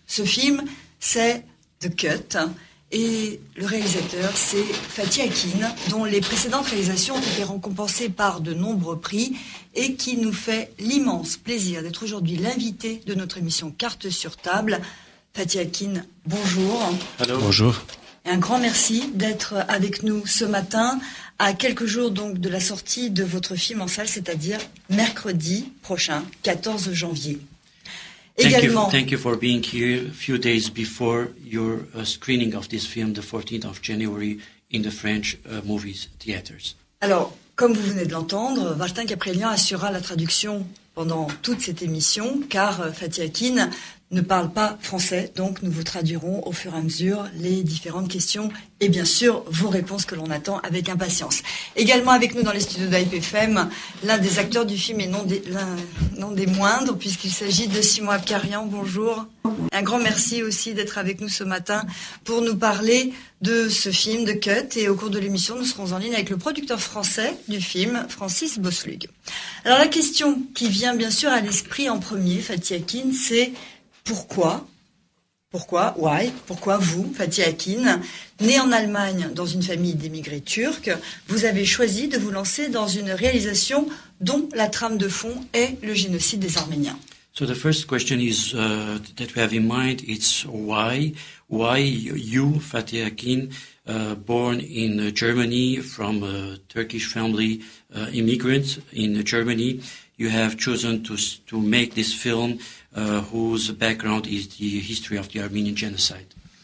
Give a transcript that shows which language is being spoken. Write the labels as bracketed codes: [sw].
[fr] Ce film, c'est The Cut, et le réalisateur, c'est Fatih Akin, dont les précédentes réalisations ont été récompensées par de nombreux prix, et qui nous fait l'immense plaisir d'être aujourd'hui l'invité de notre émission Carte sur table. Fatih Akin, bonjour. Allô. Bonjour. Et un grand merci d'être avec nous ce matin, à quelques jours donc de la sortie de votre film en salle, c'est-à-dire mercredi prochain, 14 janvier. [en] Thank you for being here a few days before your screening of this film, the 14th of January, in the French movie theaters. [fr] Alors, comme vous venez de l'entendre, Martin Caprelian assurera la traduction pendant toute cette émission, car Fatih Akin ne parle pas français, donc nous vous traduirons au fur et à mesure les différentes questions et bien sûr vos réponses que l'on attend avec impatience. Également avec nous dans les studios d'Hype FM, l'un des acteurs du film et non des moindres, puisqu'il s'agit de Simon Abkarian, bonjour. Un grand merci aussi d'être avec nous ce matin pour nous parler de ce film, de Cut, et au cours de l'émission, nous serons en ligne avec le producteur français du film, Francis Bosslug. Alors la question qui vient bien sûr à l'esprit en premier, Fatih Akin, c'est Pourquoi vous, Fatih Akin, né en Allemagne dans une famille d'émigrés turcs, vous avez choisi de vous lancer dans une réalisation dont la trame de fond est le génocide des Arméniens? [en] So the first question is that we have in mind, it's why? Why you, Fatih Akin, born in Germany from a Turkish family, immigrants in Germany, you have chosen to make this film whose background is the history of the Armenian genocide.